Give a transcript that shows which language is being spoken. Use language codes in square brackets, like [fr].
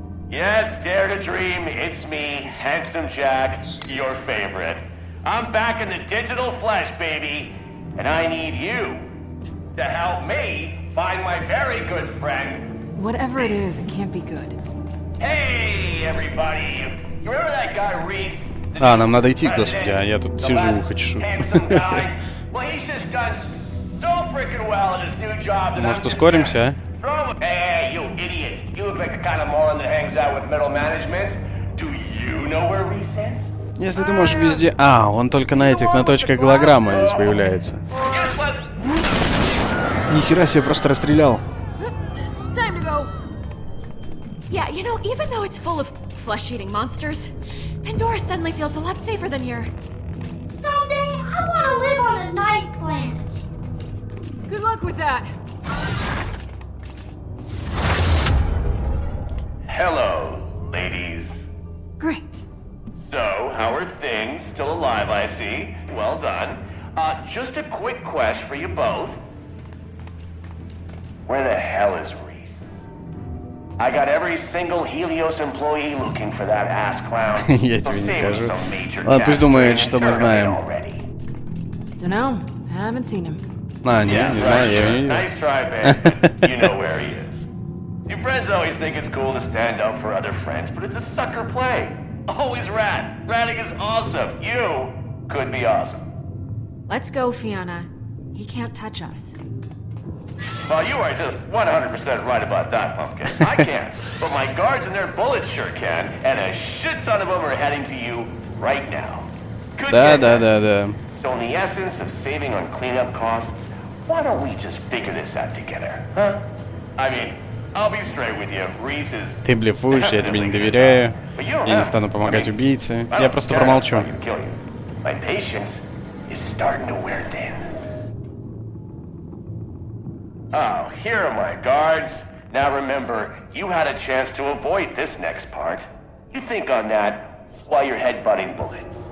[en] Yes, dare to dream, it's me, Handsome Jack, your favorite. I'm back in the digital flesh, baby, and I need you to help me find my very good friend. Whatever it is, it can't be good. Hey, everybody! You remember that guy, Reese? [ru] А, нам надо идти, господи, а я тут сижу, хочу. [en] Well, he's just got... So freaking well in his new job. [ru] Может, ускоримся, [en] а? Hey, hey, you idiot. You look like the kind of moron that hangs out with middle management. Do you know where Reese is? [ru] Если ты можешь везде... А, он только на этих, на точках голограммы здесь появляется. Нихера себе, просто расстрелял. [en] Time to go. Yeah, you know, even though it's full of flesh-eating monsters, Pandora suddenly feels a lot safer than here. Someday, I want to live on a nice planet. Good luck with that. Hello, ladies. Great. So, how are things? Still alive, I see. Well done. Just a quick question for you both. Where the hell is Reese? I got every single Helios employee looking for that ass clown. [ru] Я тебе не скажу. Ладно, пусть думает, что мы знаем. [en] Don't know. I haven't seen him. [ru] Ну, не, не знаю, я не знаю. [en] Nice try, Ben. You know where he is. Your friends always think it's cool to stand up for other friends, but it's a sucker play. Always rat. Ratting is awesome. You could be awesome. Let's go, Fiona. He can't touch us. Well, you are just 100% right about that, Pumpkin. I can't, but my guards in their bullets sure can, and a shit ton of them are heading to you right now. [ru] Да. [en] So in the essence of saving on cleanup costs, why don't we just figure this out together, huh? I mean, I'll be straight with you. Reese is... [ru] Ты блефуешь, я тебе не доверяю. Я не стану помогать убийце. Я просто промолчу. [en] My patience is starting to wear thin. Oh, here are my guards. Now remember, you had a chance to avoid this next part. You think on that while you're headbutting bullets.